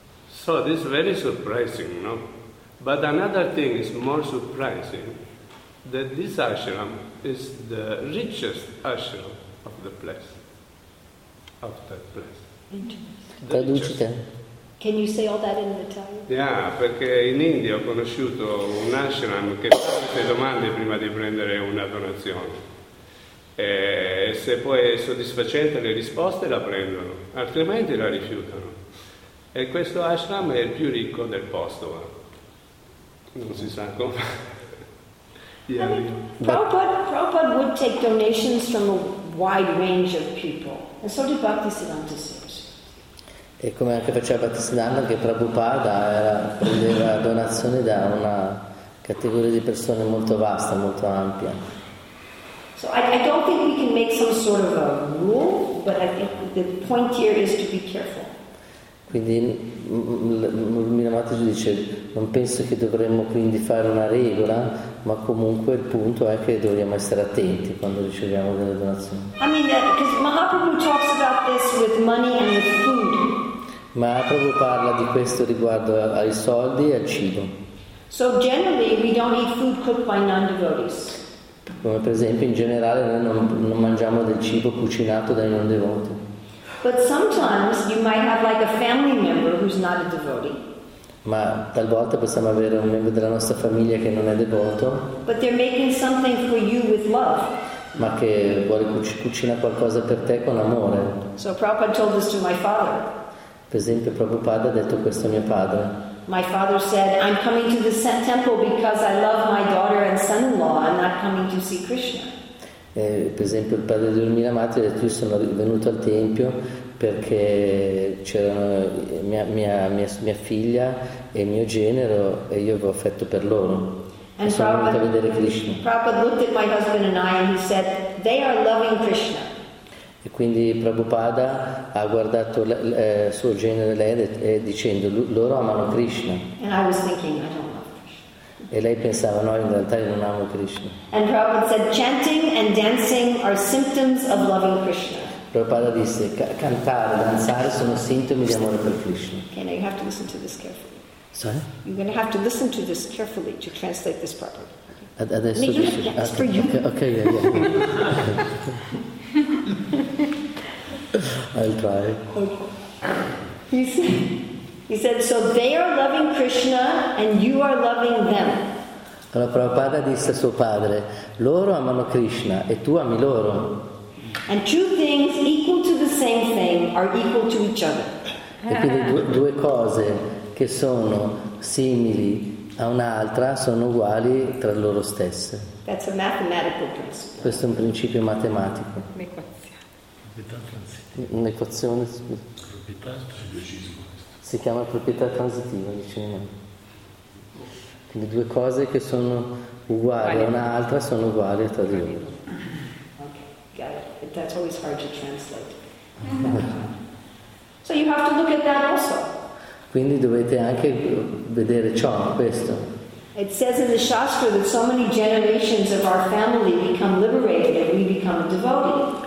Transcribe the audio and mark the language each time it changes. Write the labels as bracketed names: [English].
[English] So this is very surprising, no? But another thing is more surprising, that this ashram is the richest ashram of the place, of that place. [Italian] Traducite. [English] Can you say all that in Italian? [Italian] Yeah, perché in India ho conosciuto un ashram che fa queste domande prima di prendere una donazione. E se poi è soddisfacente le risposte la prendono, altrimenti la rifiutano. E questo ashram è il più ricco del posto. Non si sa come. [English] Yeah. I mean, Prabhupada would take donations from a wide range of people. And so did Bhaktisiddhanta Sarasvati. [Italian] E come anche faceva Bhaktisiddhanta, che Prabhupada prendeva donazioni da una categoria di persone molto vasta, molto ampia. [English] So I don't think we can make some sort of a rule, but I think the point here is to be careful. [Italian] Quindi Miramataji dice, non penso che dovremmo quindi fare una regola, ma comunque il punto è che dovremmo essere attenti quando riceviamo delle donazioni. [English] I mean, because Mahaprabhu talks about this with money and with food. [Italian] Ma proprio parla di questo riguardo ai soldi e al cibo. [English] So generally we don't eat food cooked by non-devotees. [Italian] Come per esempio in generale noi non mangiamo del cibo cucinato dai non devoti. [English] But sometimes you might have like a family member who's not a devotee. [Italian] Ma talvolta possiamo avere un membro della nostra famiglia che non è devoto. [English] But they're making something for you with love. [Italian] Ma che vuole cucina qualcosa per te con amore. [English] So Prabhupada told this to my father. [Italian] Per esempio, Prabhupada ha detto questo a mio padre. [English] My father said, I'm coming to the temple because I love my daughter and son-in-law, I'm not coming to see Krishna. [Italian] Per esempio, il padre di Urmilamati ha detto, io sono venuto al tempio perché c'erano mia figlia e mio genero e io avevo affetto per loro. [English] And [Italian] sono venuto a vedere Krishna. [English] Prabhupada looked at my husband and I and he said, they are loving Krishna. [Italian] E quindi Prabhupada ha guardato suo genere lei dicendo loro amano Krishna. [English] And I was thinking, I don't love [Italian] e lei pensava no, in realtà io non amo Krishna. [English] And Prabhupada said chanting and dancing are symptoms of loving Krishna. [Italian] Prabhupada disse cantare, danzare sono sintomi di amore per Krishna. [English] Okay, now you have to listen to this carefully. Sorry? You're going to have to listen to this carefully to translate this properly. [Italian] Okay. Adesso [English] no, yes, for you. Okay, yeah, yeah. I'll try. Okay. He said, so they are loving Krishna and you are loving them. [Italian] Allora Prabhupada disse a suo padre, loro amano Krishna e tu ami loro. [English] And two things equal to the same thing are equal to each other. [Italian] E quindi due cose che sono simili a un'altra sono uguali tra loro stesse. That's a mathematical principle. Questo è un principio matematico. Un'equazione proprietà transitiva. Si chiama proprietà transitiva, diciamo. Quindi due cose che sono uguali a un'altra sono uguali tra di loro. [English] Ok, got it. But that's always hard to translate. So you have to look at that also. [Italian] Quindi dovete anche vedere ciò, questo. [English] It says in the Shastra that so many generations of our family become liberated and we become devoted.